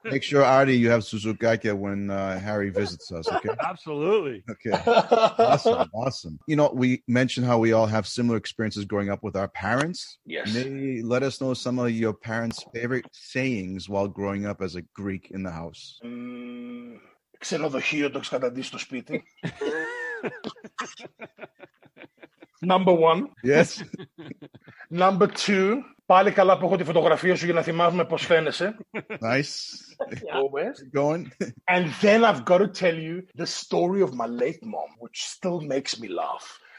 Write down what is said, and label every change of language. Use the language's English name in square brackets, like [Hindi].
[English] Make sure, Artie, you have tzoutzoukakia when Harry visits us, okay? Absolutely. Okay. Awesome, awesome. You know, we mentioned how we all have similar experiences growing up with our parents. Yes. Maybe let us know some of your parents' favorite sayings while growing up as a Greek in the house. [Greek] Ξέρω το χείο, το ξαναδείς στο σπίτι. [English] Number one. Yes. Number two. [Greek] Πάλι καλά που έχω τη φωτογραφία σου για να θυμάμαι πώς φαίνεσαι. [English] Nice. Always. Going. And then I've got to tell you the story of my late mom, which still makes me laugh.